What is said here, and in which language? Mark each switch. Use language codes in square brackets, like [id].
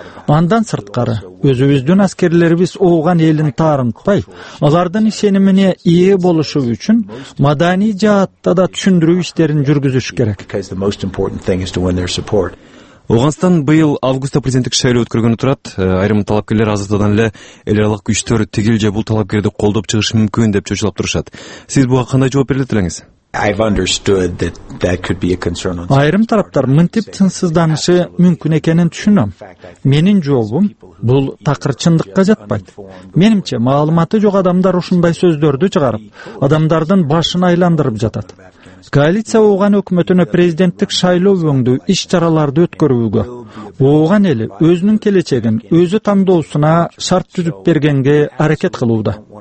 [ky] Андан сырткары, өзүбүздүн аскерлерибиз Ооган элин таарынтпай, алардын ишенимине ээ болушу үчүн маданий жаатта да түшүндүрүү иштерин жүргүзүш керек. Ооганстан быйыл августта президенттик шайлоо өткөргөнү турат. Айрым талапкерлер азыртадан эле эл аралык күчтөр тигил же бул талапкерди колдоп чыгышы мүмкүн деп чочулап турушат. Сиз буга кандай жооп берет элеңиз? [en] I've understood that could be a concern. [ky] Айрым тараптар мынтип тынсызданышы мүмкүн экенин түшүнөм. Менин жообум бул такыр чындыкка жатпайт. Менимче маалыматы жок адамдар ушундай сөздөрдү чыгарып, адамдардын башын айландырып жатат. Коалиция Ооган өкмөтүнө президенттик шайлоо өңдүү иш чараларды өткөрүүгө, Ооган эли өзүнүн келечегин өзү тандоосуна шарт түзүп бергенге аракет кылууда.